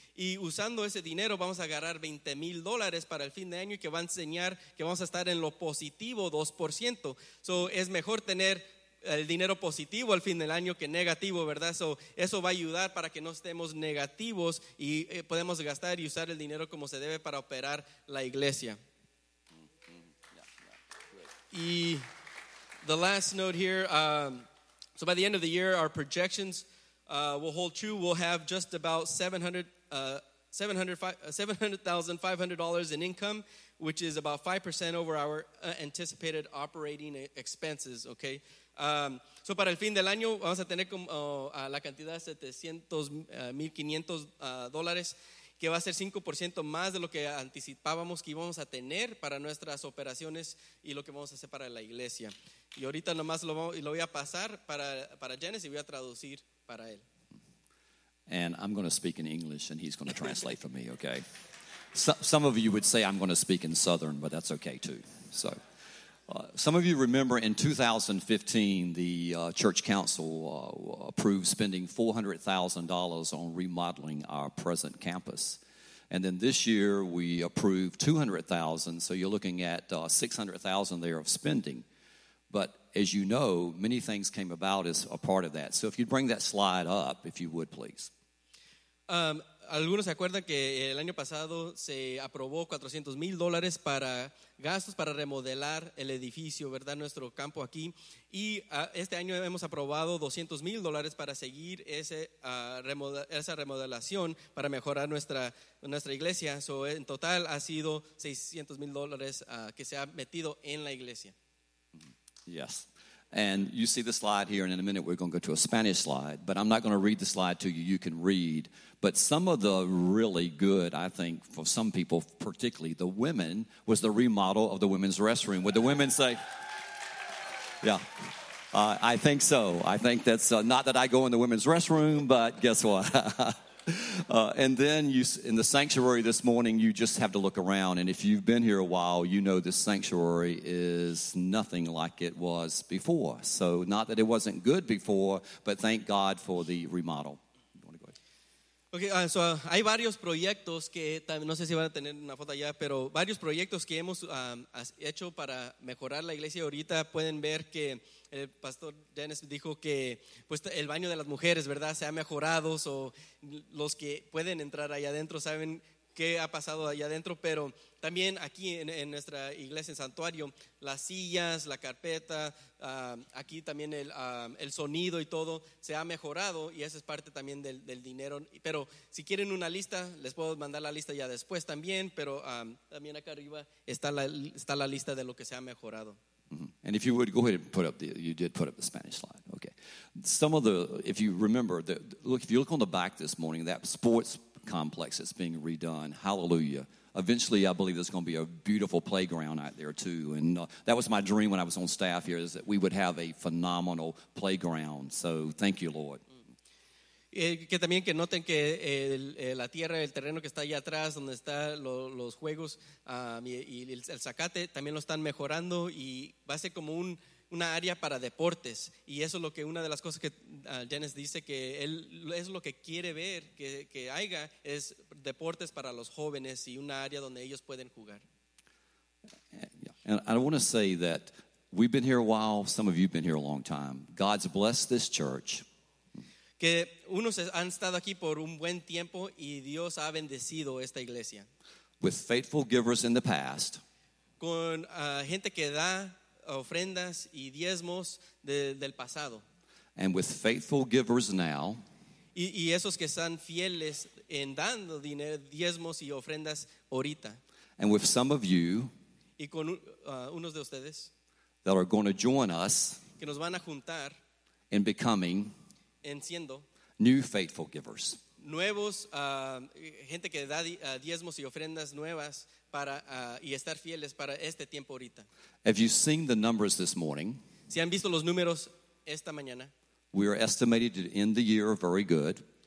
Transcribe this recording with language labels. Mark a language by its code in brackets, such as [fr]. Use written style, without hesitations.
[es] Y usando ese dinero vamos a agarrar $20,000 para el fin de año que va a enseñar que vamos a estar en lo positivo 2%. So es mejor tener el dinero positivo al fin del año que negativo, ¿verdad? So eso va a ayudar para que no estemos negativos y podemos gastar y usar el dinero como se debe para operar la iglesia. [en] Y the last note here, so by the end of the year, our projections will hold true. We'll have just about $700,500 in income, which is about 5% over our anticipated operating expenses, okay? [es] So para el fin del año, vamos a tener como la cantidad de $700,500, que va a ser 5% más de lo que anticipábamos que íbamos a tener para nuestras operaciones y lo que vamos a hacer para la iglesia. Y ahorita nomás lo voy a pasar para Janice y voy a traducir para él. [en] And I'm going to speak in English and he's going to translate for me, okay? Some of you would say I'm going to speak in Southern, but that's okay too. So, some of you remember in 2015, the church council approved spending $400,000 on remodeling our present campus. And then this year we approved $200,000, so you're looking at $600,000 there of spending. But as you know, many things came about as a part of that. So if you'd bring that slide up, if you would, please. [es] Algunos se acuerdan que el año pasado se aprobó $400,000 para gastos para remodelar el edificio, ¿verdad? Nuestro campo aquí. Y este año hemos aprobado $200,000 para seguir esa remodelación para mejorar nuestra iglesia. So, en total ha sido $600,000 que se ha metido en la iglesia. [en] Yes. And you see the slide here, and in a minute we're going to go to a Spanish slide. But I'm not going to read the slide to you. You can read. But some of the really good, I think, for some people, particularly the women, was the remodel of the women's restroom. Would the women say, yeah, I think so. I think that's not that I go in the women's restroom, but guess what? And then you, in the sanctuary this morning, you just have to look around. And if you've been here a while, you know this sanctuary is nothing like it was before. So not that it wasn't good before, but thank God for the remodel. [es] Okay, so hay varios proyectos que no sé si van a tener una foto allá, pero varios proyectos que hemos hecho para mejorar la iglesia. Ahorita pueden ver que el pastor Dennis dijo que pues el baño de las mujeres, ¿verdad?, se ha mejorado, o so, los que pueden entrar allá adentro saben qué ha pasado allá adentro, pero también aquí en nuestra iglesia, en santuario, las sillas, la carpeta, aquí también el sonido y todo se ha mejorado, y esa es parte también del dinero. Pero si quieren una lista, les puedo mandar la lista ya después también, pero también acá arriba está la lista de lo que se ha mejorado. [en] And if you would go ahead and put up the, you did put up the Spanish slide, okay. Some of the, if you remember, if you look on the back this morning, that sports complex that's being redone, hallelujah. Eventually, I believe there's going to be a beautiful playground out there too. And that was my dream when I was on staff here, is that we would have a phenomenal playground. So thank you, Lord. [es] Que también que noten que la tierra, el terreno que está allá atrás, donde están los juegos y el zacate, también lo están mejorando, y va a ser como una área para deportes. Y eso es lo que una de las cosas que Janice dice, que él es lo que quiere ver que haya, es deportes para los jóvenes y una área donde ellos pueden jugar. [en] And I want to say that we've been here a while, some of you have been here a long time. God's blessed this church. [es] Que unos han estado aquí por un buen tiempo y Dios ha bendecido esta iglesia. [en] With faithful givers in the past. [es] Con gente que da ofrendas y diezmos del pasado. [en] And with faithful givers now. [es] Y esos que están fieles en dando dinero, diezmos y ofrendas ahorita. [en] And with some of you. [es] Y con unos de ustedes. [en] That are going to join us. [es] Que nos van a juntar. [en] In becoming. [es] En siendo [en] new faithful givers. [es] Nuevos, gente que da diezmos y ofrendas nuevas para, y estar fieles para este tiempo ahorita. [en] Have you seen the numbers this morning? [es] Si han visto los números esta mañana. [en] We are estimated to end the year very good.